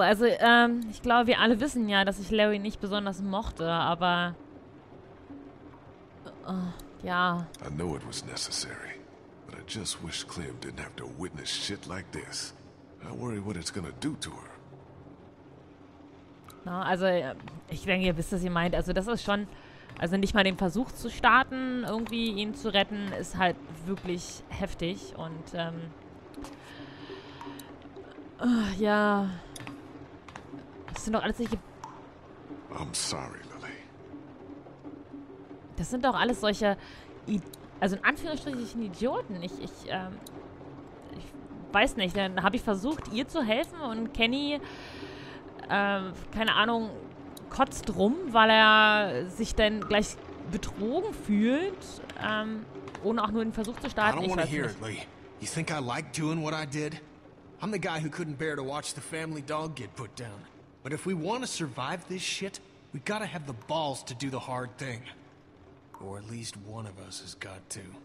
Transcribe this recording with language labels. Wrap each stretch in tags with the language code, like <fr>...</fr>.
<de>Also, ich glaube, wir alle wissen ja, dass ich Larry nicht besonders mochte, aber... ja.</de> <en>I know it was necessary, but I just wish Clem didn't have to witness shit like this. I worry what it's gonna do to her.</en> <de>Na, also, ich denke, ihr wisst, was ihr meint. Also, das ist schon, also nicht mal den Versuch zu starten, irgendwie ihn zu retten, ist halt wirklich heftig. Und, ja. Das sind doch alles solche...</de> <en>I'm sorry, Lily.</en> <de>Das sind doch alles solche, also in Anführungsstrichen Idioten. Ich weiß nicht, dann habe ich versucht, ihr zu helfen und Kenny, keine Ahnung, kotzt rum, weil er sich dann gleich betrogen fühlt, ohne auch nur den Versuch zu starten. Ich weiß nicht.</de> <en>You think I like doing what I did? I'm the guy who couldn't bear to watch the family dog get put down. But if we want to survive this shit, we gotta have the balls to do the hard thing. Or at least one of us has got to.</en>